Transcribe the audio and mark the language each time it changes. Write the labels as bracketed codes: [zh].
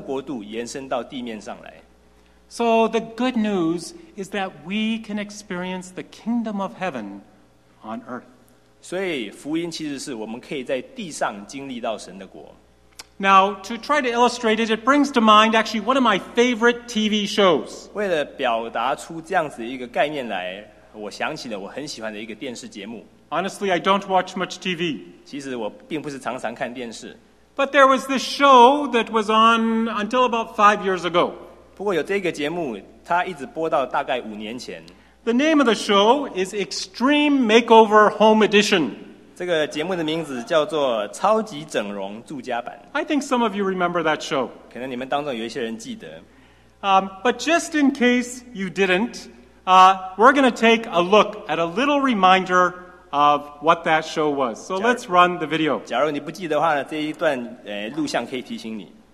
[zh] 他的福音是在讲说如何把神的国度延伸到地面上来。 [en] So the good news is that we can experience the kingdom of heaven on earth. [zh] 所以福音其实是我们可以在地上经历到神的国。 [en] Now, to try to illustrate it, it brings to mind actually one of my favorite TV shows. [zh] 为了表达出这样子一个概念来，我想起了我很喜欢的一个电视节目。 [en] Honestly, I don't watch much TV. [zh] 其实我并不是常常看电视。 [en] But there was this show that was on until about 5 years ago. [zh] 不过有这个节目，它一直播到大概5年前。 [en] The name of the show is Extreme Makeover Home Edition. [zh] 这个节目的名字叫做超级整容住家版。 [en] I think some of you remember that show. [zh] 可能你们当中有一些人记得。 [en] But just in case you didn't, we're going to take a look at a little reminder of what that show was. So let's run the video. [zh] 假如你不记得的话，这一段录像可以提醒你。